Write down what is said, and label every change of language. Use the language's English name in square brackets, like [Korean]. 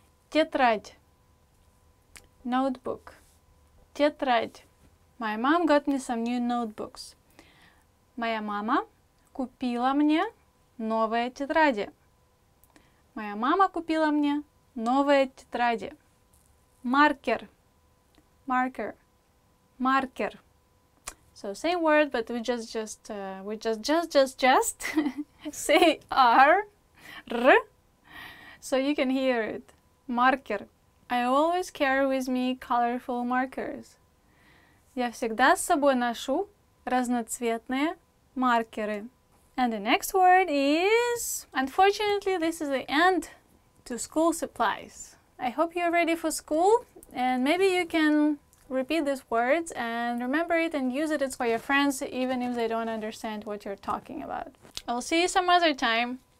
[Russian] Тетрадь. Notebook. Тетрадь. [English] My mom got me some new notebooks. [Russian] Моя мама купила мне новые тетради. Моя мама купила мне новые тетради. Маркер. Маркер. Маркер. [English] So same word, but we just say R, R. So you can hear it. [Russian] Маркер. [English] I always carry with me colorful markers. [Russian] Я всегда с собой ношу разноцветные маркеры. [English] And the next word is... Unfortunately, this is the end to school supplies. I hope you're ready for school. And maybe you can repeat these words and remember it and use it for your friends, even if they don't understand what you're talking about. I'll see you some other time.